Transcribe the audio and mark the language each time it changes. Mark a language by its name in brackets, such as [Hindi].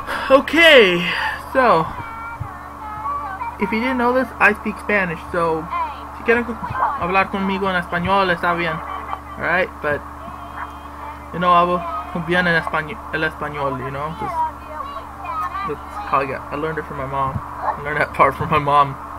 [English] Okay, so if you didn't know this, I speak Spanish. [Spanish] So si quieren hablar conmigo en español, está bien. [English] All right, but you know, [Spanish] hablo bien en español. [English] You know, just that's how I got. I learned it from my mom. I learned that part from my mom.